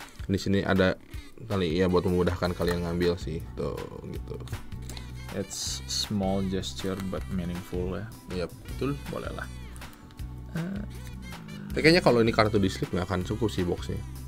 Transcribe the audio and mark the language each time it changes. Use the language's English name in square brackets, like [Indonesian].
[Indonesian] Di sini ada kali ya buat memudahkan kalian ngambil sih. Tuh gitu. [English] It's small gesture but meaningful ya. [Indonesian] Yep, betul. Boleh lah. Kayaknya kalau ini kartu di slip enggak akan cukup sih boxnya.